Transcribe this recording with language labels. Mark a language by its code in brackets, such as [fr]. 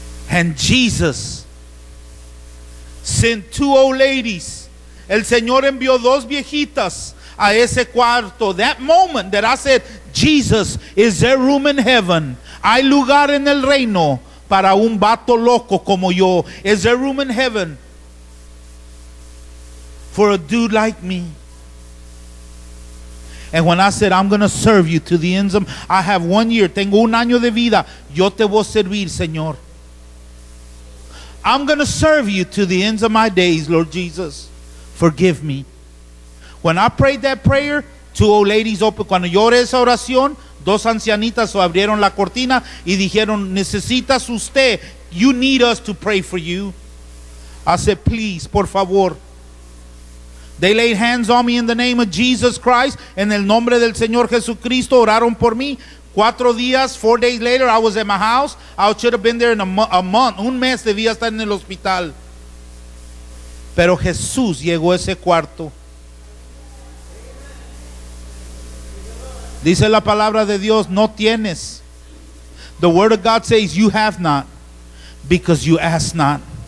[en] And Jesus sent 2 old ladies. [es] El Señor envió 2 viejitas a ese cuarto. [en] That moment that I said, Jesus, is there room in heaven? [es] Hay lugar en el reino para un vato loco como yo. [en] Is there room in heaven for a dude like me? And when I said, I'm going to serve you to the ends of, I have 1 year, [es] tengo 1 año de vida, yo te voy a servir, Señor. [en] I'm going to serve you to the ends of my days, Lord Jesus. Forgive me. When I prayed that prayer, 2 old ladies opened. [es] Cuando yo oré esa oración, 2 ancianitas abrieron la cortina y dijeron, necesitas usted, [en] you need us to pray for you. I said, please, [es] por favor. [en] They laid hands on me in the name of Jesus Christ. [es] En el nombre del Señor Jesucristo, oraron por mí. 4 días, [en] 4 days later, I was at my house. I should have been there in a month. [es] Un mes debía estar en el hospital. Pero Jesús llegó a ese cuarto. Dice la palabra de Dios, no tienes. [en] The word of God says, you have not, because you ask not.